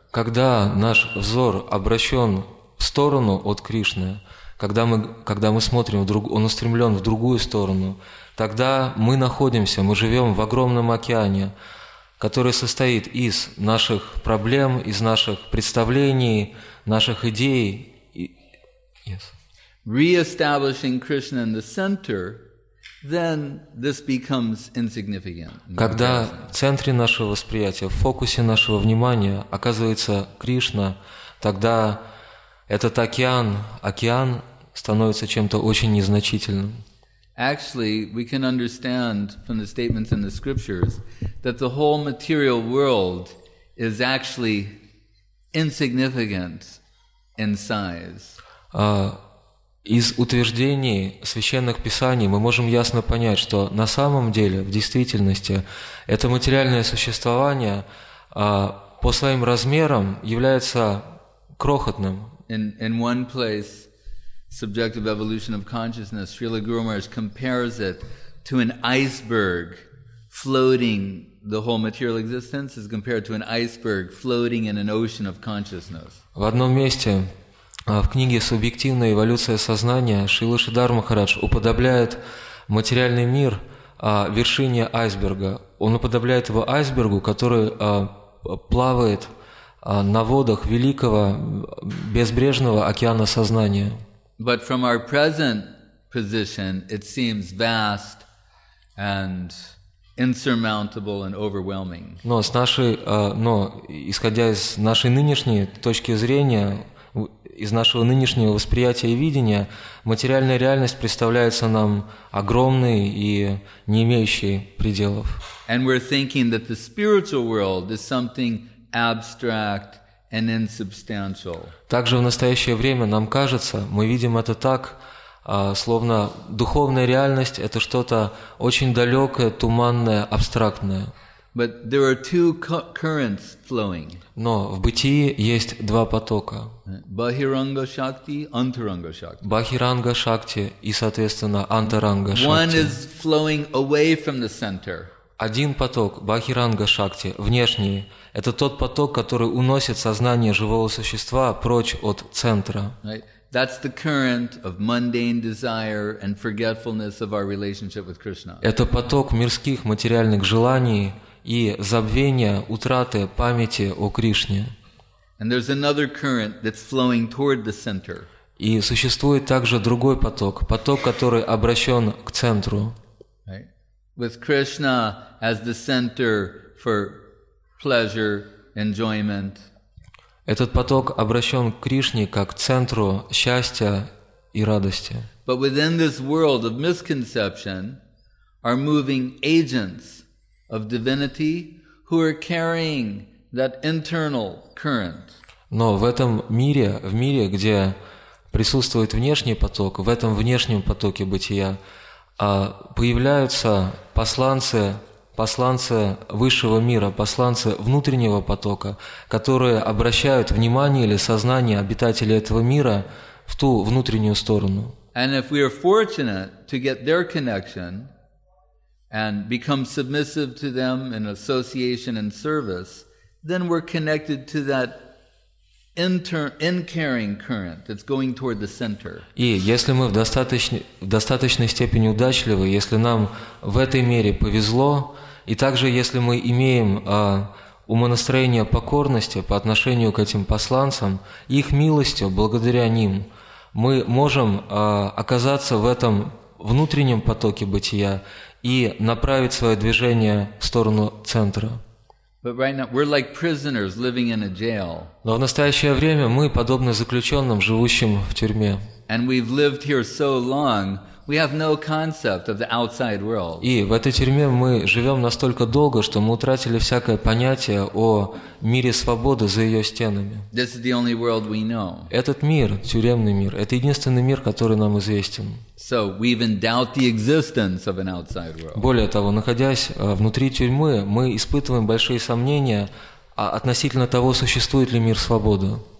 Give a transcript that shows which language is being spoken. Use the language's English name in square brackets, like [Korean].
[Russian] Когда наш взор обращен в сторону от Кришны, когда мы смотрим, он устремлен в другую сторону, тогда мы находимся, мы живем в огромном океане, который состоит из наших проблем, из наших представлений, наших идей. [English] Yes. Re-establishing Krishna in the center, then this becomes insignificant. [Russian] Когда в центре нашего восприятия, в фокусе нашего внимания оказывается Кришна, тогда этот океан становится чем-то очень незначительным. [English] Actually, we can understand from the statements in the scriptures that the whole material world is actually insignificant in size. [Russian] Из утверждений священных писаний мы можем ясно понять, что на самом деле, в действительности, это материальное существование по своим размерам является крохотным. [English] In one place, Subjective Evolution of Consciousness, Srila Guru Maharaj compares it to an iceberg floating. The whole material existence is compared to an iceberg floating in an ocean of consciousness. [Russian] В одном месте в книге «Субъективная эволюция сознания» Шрила Шридхар Махарадж уподобляет материальный мир вершине айсберга. Он уподобляет его айсбергу, который плавает на водах великого безбрежного океана сознания. [English] But from our present position, it seems vast and insurmountable and overwhelming. [Russian] Но с нашей, но исходя из нашей нынешней точки зрения, из нашего нынешнего восприятия и видения, материальная реальность представляется нам огромной и не имеющей пределов. [English] And we're thinking that the spiritual world is something abstract and insubstantial. [Russian] Также в настоящее время нам кажется, мы видим это так, словно духовная реальность – это что-то очень далекое, туманное, абстрактное. [English] But there are two currents flowing. [Russian] Но в бытии есть два потока. [English] Bahiranga Shakti, Antaranga Shakti. [Russian] Bahiranga Shakti и, соответственно, Antaranga Shakti. [English] One is flowing away from the center. [Russian] Один поток, Bahiranga Shakti, внешний, это тот поток, который уносит сознание живого существа прочь от центра. [English] Right? That's the current of mundane desire and forgetfulness of our relationship with Krishna. [Russian] Это поток мирских материальных желаний и забвения, утраты памяти о Кришне. [English] And there's another current that's flowing toward the center. [Russian] И существует также другой поток, поток, который обращен к центру. [English] Right? With Krishna as the center for pleasure, enjoyment. [Russian] Этот поток обращен к Кришне как к центру счастья и радости. [English] But within this world of misconception are moving agents of divinity who are carrying that internal current. [Russian] Но в этом мире, в мире, где присутствует внешний поток, в этом внешнем потоке бытия появляются посланцы. Посланцы высшего мира, посланцы внутреннего потока, которые обращают внимание или сознание обитателей этого мира в ту внутреннюю сторону. [English] And if we are fortunate to get their connection and become submissive to them in association and service, then we're connected to that in-carrying current that's going toward the center. [Russian] И если мы в достаточной степени удачливы, если нам в этой мере повезло, и также, если мы имеем умонастроение покорности по отношению к этим посланцам, их милостью, благодаря ним, мы можем оказаться в этом внутреннем потоке бытия и направить свое движение в сторону центра. [English] But right now, we're like prisoners living in a jail. [Russian] Но в настоящее время мы подобны заключенным, живущим в тюрьме. [English] And we've lived here so long, we have no concept of the outside world. [Russian] И в этой тюрьме мы живем настолько долго, что мы утратили всякое понятие о мире свободы за ее стенами. [English] This is the only world we know. [Russian] Этот мир, тюремный мир, это единственный мир, который нам известен. [English] So we even doubt the existence of an outside world. [Russian] Более того, находясь внутри тюрьмы, мы испытываем большие сомнения относительно того, существует ли мир свободы.